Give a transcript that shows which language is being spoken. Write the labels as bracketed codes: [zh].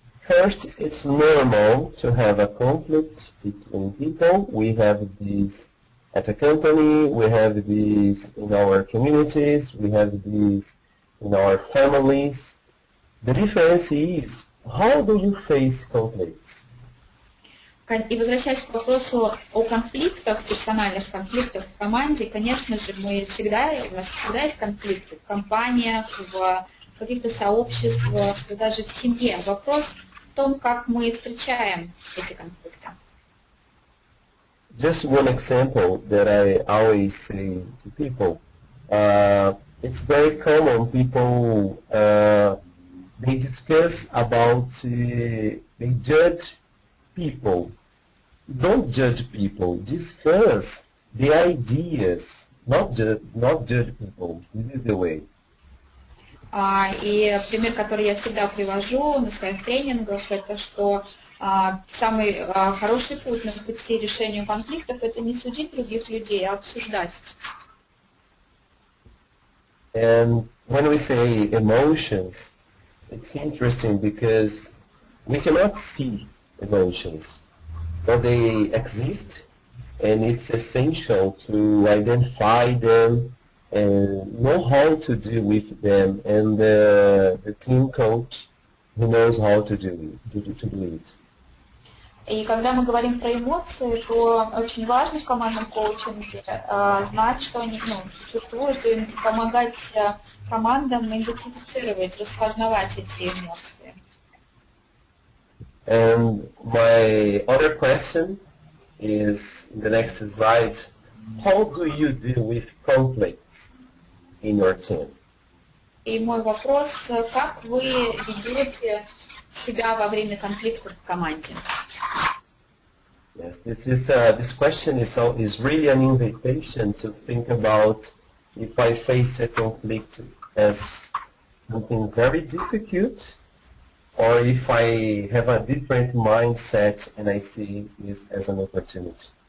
[en] First, it's normal to have a conflict between people. We have this at a company, we have this in our communities, we have this in our families. The difference is, how do you face conflicts? [ru] И возвращаясь к вопросу о конфликтах, персональных конфликтах в команде, конечно же, у нас всегда есть конфликты в компаниях, в каких-то сообществах, даже в семье. Вопрос в том, как мы встречаем эти конфликты. [en] Just one example that I always say to people. It's very common people, they discuss about, they judge people. Don't judge people, discuss the ideas, not judge people. This is the way. [ru] И пример, который я всегда привожу на своих тренингах, это что самый хороший путь на пути решения конфликтов – это не судить других людей, а обсуждать. [en] And when we say emotions, it's interesting because we cannot see emotions, but they exist, and it's essential to identify them and know how to deal with them, and the team coach who knows how to do it. [ru] И когда мы говорим про эмоции, то очень важно в командном коучинге знать, что они существуют, и помогать командам идентифицировать, распознавать эти эмоции. [en] And my other question is in the next slide. How do you deal with conflicts in your team? [ru] И мой вопрос, как вы ведете себя во время конфликтов в команде? [en] Yes, this question is really an invitation to think about if I face a conflict as something very difficult, or if I have a different mindset and I see it as an opportunity.